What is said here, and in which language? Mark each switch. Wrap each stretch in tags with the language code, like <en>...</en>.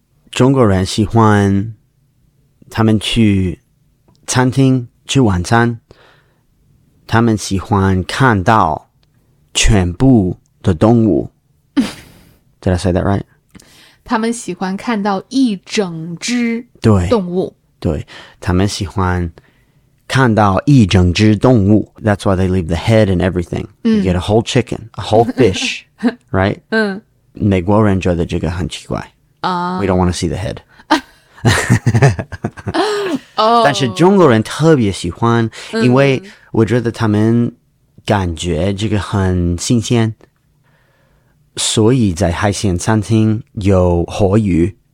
<zh>中国人喜欢他们去餐厅吃晚餐，他们喜欢看到全部的动物。</zh> <en>Did I say that right?</en> <zh>他们喜欢看到一整只动物。对，他们喜欢看到一整只动物。</zh> <en>That's why they leave the head and everything. You get a whole chicken, a whole fish, right? 嗯，</en> <zh>美国人觉得这个很奇怪。</zh> <en>We don't want to see the head.</en> <zh>但是中国人特别喜欢，因为我觉得他们感觉这个很新鲜。所以在海鲜餐厅有活鱼。</zh>